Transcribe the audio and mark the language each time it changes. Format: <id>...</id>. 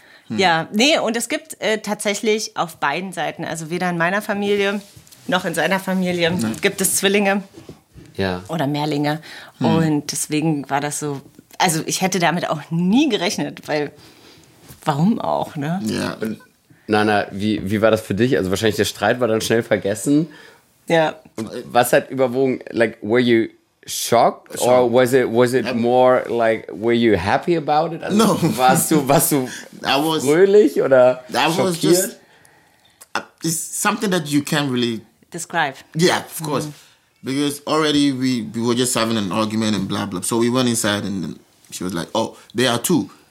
<de>Ja, nee, und es gibt tatsächlich auf beiden Seiten, also weder in meiner Familie noch in seiner Familie gibt es Zwillinge oder Mehrlinge. Und deswegen war das so, also ich hätte damit auch nie gerechnet, weil warum auch, ne? Ja. Nana, wie war das für dich? Also wahrscheinlich der Streit war dann schnell vergessen. Ja. Und was hat überwogen?</de> <en>Like, were you shocked?</en> <de>Schock.</de> <en>Or was it more like, were you happy about it? Also, no.</en> <de>Warst du fröhlich oder that schockiert?</de> <en>Was just, it's something that you can't really describe. Yeah, of course. Because already we were just having an argument and blah, blah. So we went inside and then she was like, oh, there are two.</en>